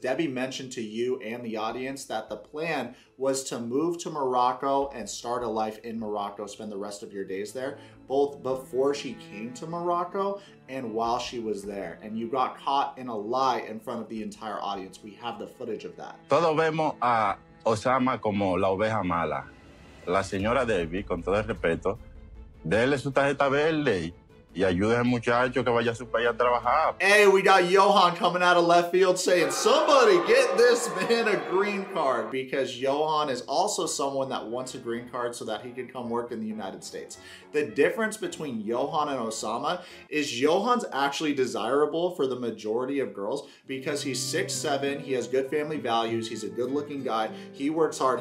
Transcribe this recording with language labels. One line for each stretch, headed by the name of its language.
English: Debbie mentioned to you and the audience that the plan was to move to Morocco and start a life in Morocco, spend the rest of your days there, both before she came to Morocco and while she was there. And you got caught in a lie in front of the entire audience. We have the footage of that.
Spanish: Todos vemos a Oussama como la oveja mala. La señora Debbie, con todo el respeto, dele su tarjeta verde y ayude al muchacho que vaya a su país a trabajar.
English: Hey, we got Johan coming out of left field saying, somebody get this man a green card, because Johan is also someone that wants a green card so that he can come work in the United States. The difference between Johan and Oussama is Johan's actually desirable for the majority of girls because he's 6'7", he has good family values, he's a good looking guy, he works hard.